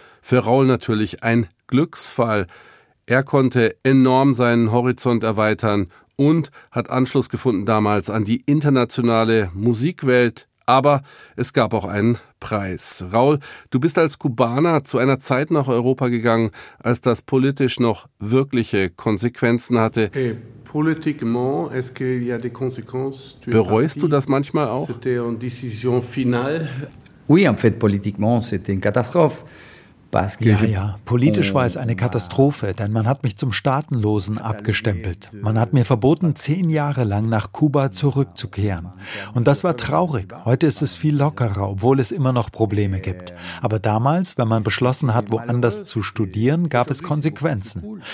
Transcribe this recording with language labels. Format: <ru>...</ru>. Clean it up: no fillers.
<de>Für Raul natürlich ein Glücksfall. Er konnte enorm seinen Horizont erweitern und hat Anschluss gefunden damals an die internationale Musikwelt. Aber es gab auch einen Preis. Raul, du bist als Kubaner zu einer Zeit nach Europa gegangen, als das politisch noch wirkliche Konsequenzen hatte.</de> <fr>Politiquement, est-ce qu'il y a des conséquences?</fr> <de>Bereust du das manchmal auch?</de> <fr>C'était une décision finale. Oui, en fait, politiquement, c'était une catastrophe.</fr> <de>Ja, politisch war es eine Katastrophe, denn man hat mich zum Staatenlosen abgestempelt. Man hat mir verboten, 10 Jahre lang nach Kuba zurückzukehren. Und das war traurig. Heute ist es viel lockerer, obwohl es immer noch Probleme gibt. Aber damals, wenn man beschlossen hat, woanders zu studieren, gab es Konsequenzen.</de>